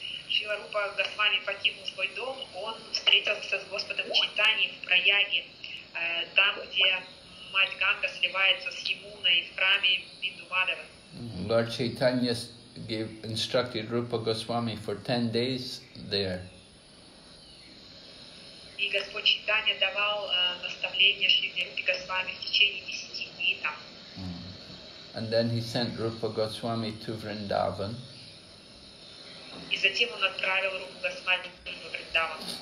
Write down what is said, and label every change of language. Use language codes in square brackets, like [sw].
[ru] Шрила Рупа Госвами покинул свой дом, он встретился с Господом Чайтаньей в Праяге, там, где мать Ганга сливается с Ямуной в храме Бинду Мадхава. [en] Lord Chaitanya instructed Rupa Goswami for 10 days there. [ru] И Господь Чайтанья давал наставление Шриле Рупе Госвами в течение 10 дней там. [en] And then he sent Rupa Goswami to Vrindavan. [ru] И затем он отправил Рупу Госвами в Вриндаван.